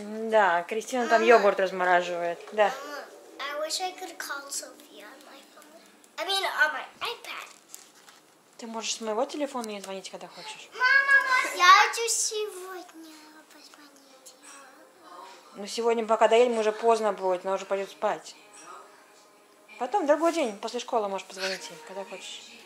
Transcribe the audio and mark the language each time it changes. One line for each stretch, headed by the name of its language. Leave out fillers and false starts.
Russian: Да, Кристина там йогурт размораживает. Да.
English: I wish I could call Sophia on my phone. I mean, on my iPad.
Russian: Ты можешь с моего телефона ей звонить, когда хочешь. Мама, я хочу сегодня позвонить. Ну, сегодня, пока доедем, уже поздно будет, она уже пойдет спать. Потом, другой день, после школы можешь позвонить ей, когда хочешь.